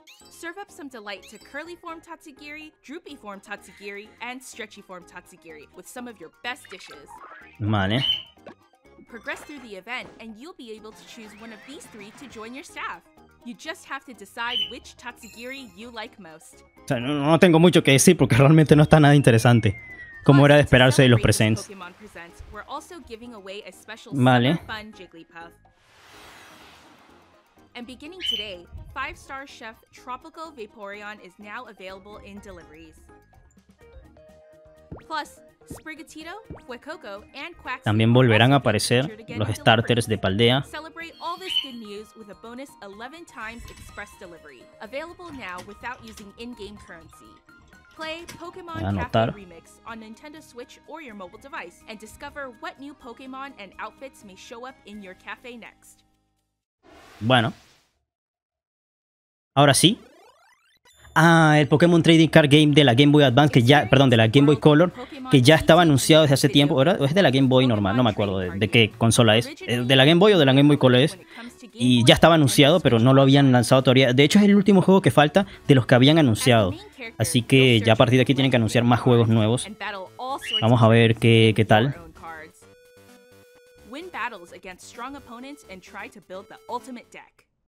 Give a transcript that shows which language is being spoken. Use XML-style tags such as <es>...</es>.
<en>Serve up some delight to curly form Tatsugiri, droopy form Tatsugiri, and stretchy form Tatsugiri with some of your best dishes.</en> <es>Vale.</es> <en>Progress through the event and you'll be able to choose one of these three to join your staff. You just have to decide which Tatsugiri you like most.</en> <es>O sea, no tengo mucho que decir porque realmente no está nada interesante. Como era de esperarse de los presents.</es> <en>Pokémon Presents, we're also giving away a special super fun Jigglypuff. And beginning today, 5-star chef Tropical Vaporeon is now available in deliveries. Plus, Sprigatito, Fuecoco, and Quacks.</en> <es>También volverán a aparecer los starters de Paldea.</es> <en>Celebrate all this good news with a bonus 11 times express delivery. Available now without using in-game currency. Play Pokémon Café Remix on Nintendo Switch or your mobile device and discover what new Pokémon and outfits may show up in your cafe next.</en> <es>Bueno, ahora sí. Ah, el Pokémon Trading Card Game de la Game Boy Advance, de la Game Boy Color, que ya estaba anunciado desde hace tiempo. ¿Verdad? ¿O es de la Game Boy normal? No me acuerdo de qué consola es. ¿De la Game Boy o de la Game Boy Color es? Y ya estaba anunciado, pero no lo habían lanzado todavía. De hecho, es el último juego que falta de los que habían anunciado. Así que ya a partir de aquí tienen que anunciar más juegos nuevos. Vamos a ver qué tal.</es> <en>Win battles against strong opponents and try to build the ultimate deck.</en>